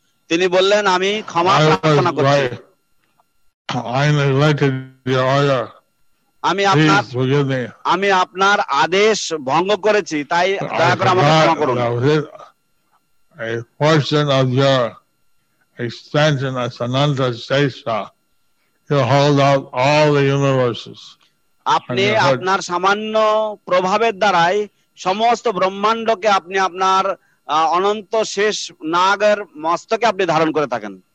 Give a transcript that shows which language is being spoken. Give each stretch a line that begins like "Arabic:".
Bangla: তিনি বললেন, আমি ক্ষমা প্রার্থনা করছি, আমি আপনার আদেশ ভঙ্গ করেছি, তাই দয়া করে আমাকে ক্ষমা করুন।
English: A portion of your expansion as Ananta Shesha, you hold out all the universes.
Bangla: আপনি আপনার সামান্য প্রভাবের দ্বারাই সমস্ত ব্রহ্মাণ্ডকে আপনি আপনার অনন্ত শেষ নাগের মস্তকে আপনি ধারণ করে থাকেন।